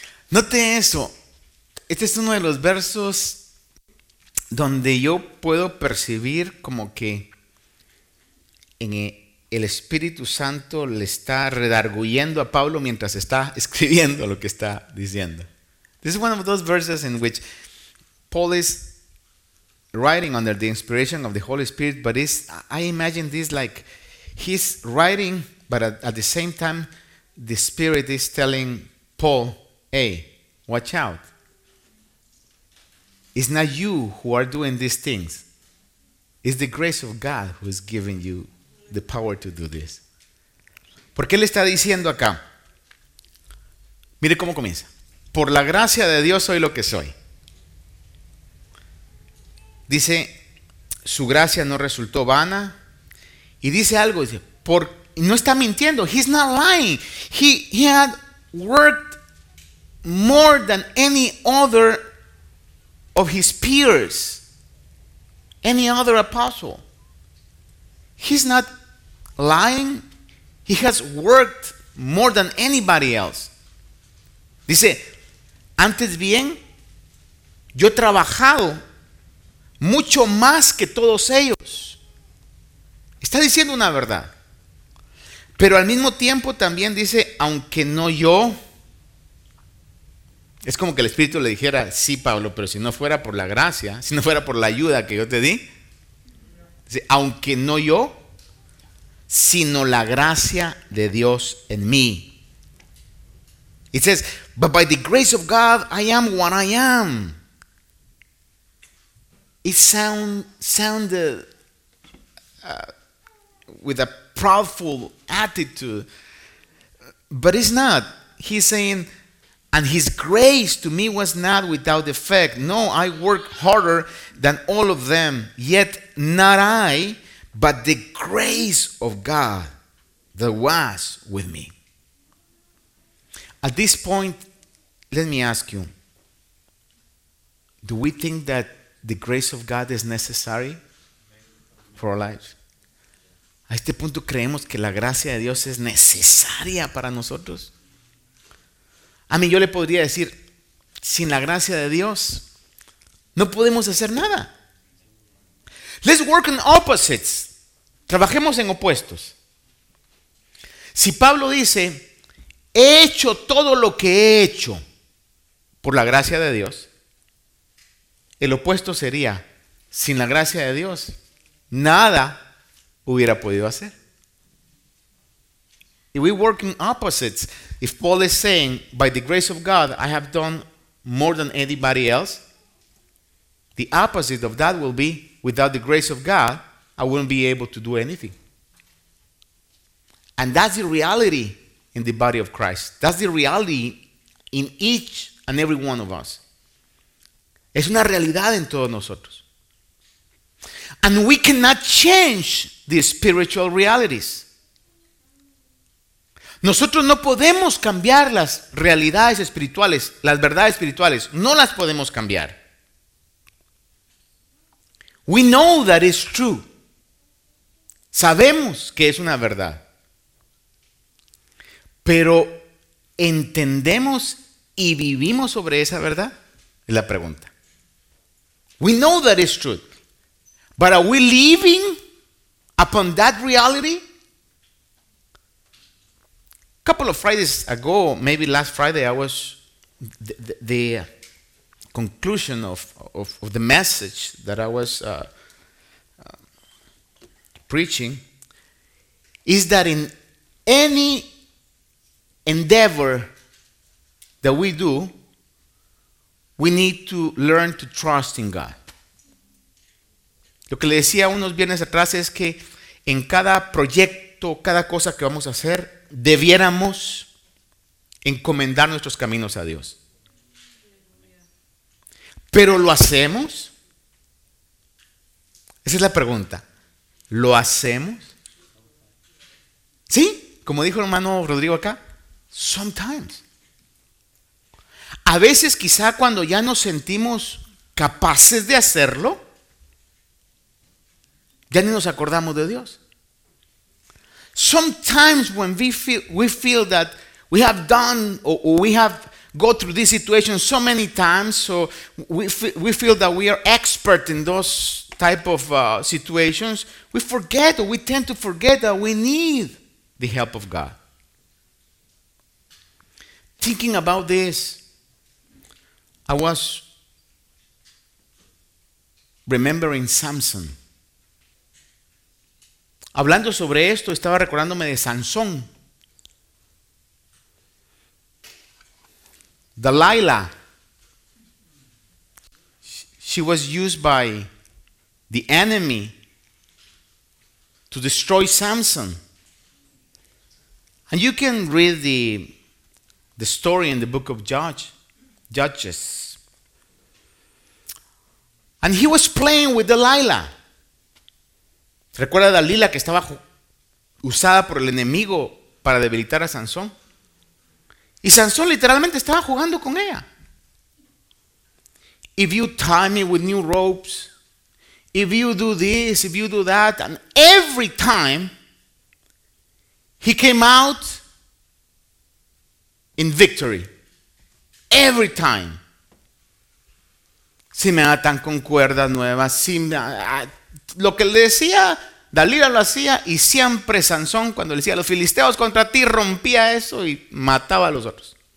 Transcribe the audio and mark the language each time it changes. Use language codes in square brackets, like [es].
[es] Note eso, este es uno de los versos donde yo puedo percibir como que en el Espíritu Santo le está redarguyendo a Pablo mientras está escribiendo lo que está diciendo. [en] This is one of those verses in which Paul is writing under the inspiration of the Holy Spirit, but it's, I imagine this like he's writing, but at the same time the Spirit is telling Paul, hey, watch out. It's not you who are doing these things. It's the grace of God who is giving you the power to do this. [es] ¿Por qué le está diciendo acá? Mire cómo comienza. por la gracia de Dios soy lo que soy. Dice, su gracia no resultó vana. Y dice algo, dice, por, no está mintiendo. [en] He's not lying. He had worked more than any other of his peers, any other apostle. He's not lying. He has worked more than anybody else. [es] Dice, antes bien, yo he trabajado mucho más que todos ellos. Está diciendo una verdad. Pero al mismo tiempo también dice, aunque no yo. Es como que el Espíritu le dijera, sí, Pablo, pero si no fuera por la gracia, si no fuera por la ayuda que yo te di. Dice, aunque no yo, sino la gracia de Dios en mí. [en] It says, but by the grace of God, I am what I am. It sounded with a proudful attitude, but it's not. He's saying, and his grace to me was not without effect. No, I work harder than all of them, yet not I, but the grace of God that was with me. At this point, let me ask you, do we think that the grace of God is necessary for our lives? [es] ¿A este punto creemos que la gracia de Dios es necesaria para nosotros? A mí yo le podría decir, sin la gracia de Dios, no podemos hacer nada. [en] Let's work in opposites. [es] Trabajemos en opuestos. Si Pablo dice, he hecho todo lo que he hecho por la gracia de Dios, el opuesto sería, sin la gracia de Dios, nada hubiera podido hacer. [en] If we work in opposites, if Paul is saying, by the grace of God, I have done more than anybody else, the opposite of that will be, without the grace of God, I wouldn't be able to do anything. And that's the reality in the body of Christ. That's the reality in each and every one of us. [es] Es una realidad en todos nosotros. [en] And we cannot change the spiritual realities. [es] Nosotros no podemos cambiar las realidades espirituales, las verdades espirituales. No las podemos cambiar. [en] We know that it's true. [es] Sabemos que es una verdad. Pero ¿entendemos y vivimos sobre esa verdad? Es la pregunta. [en] We know that it's true. But are we living upon that reality? A couple of Fridays ago, maybe last Friday, I was the conclusion of the message that I was preaching is that in any endeavor that we do, we need to learn to trust in God. [es] Lo que le decía unos viernes atrás es que en cada proyecto, cada cosa que vamos a hacer, debiéramos encomendar nuestros caminos a Dios. ¿Pero lo hacemos? Esa es la pregunta. ¿Lo hacemos? ¿Sí? Como dijo el hermano Rodrigo acá, [en] sometimes. [es] A veces quizá cuando ya nos sentimos capaces de hacerlo, ya ni nos acordamos de Dios. [en] Sometimes when we feel that we have done or we have gone through this situation so many times, so we feel that we are expert in those type of situations, we forget, or we tend to forget that we need the help of God. Thinking about this, I was remembering Samson. [es] Hablando sobre esto, estaba recordándome de Sansón. [en] Delilah. She was used by the enemy to destroy Samson. And you can read the story in the book of Judges. Judges. And he was playing with Delilah. [es] ¿Recuerda a Dalila que estaba usada por el enemigo para debilitar a Sansón? Y Sansón literalmente estaba jugando con ella. [en] If you tie me with new ropes, if you do this, if you do that, and every time he came out in victory. Every time. [es] Si me atan con cuerdas nuevas, si me, lo que le decía Dalila lo hacía, y siempre Sansón, cuando le decía los filisteos contra ti, rompía eso y mataba a los otros.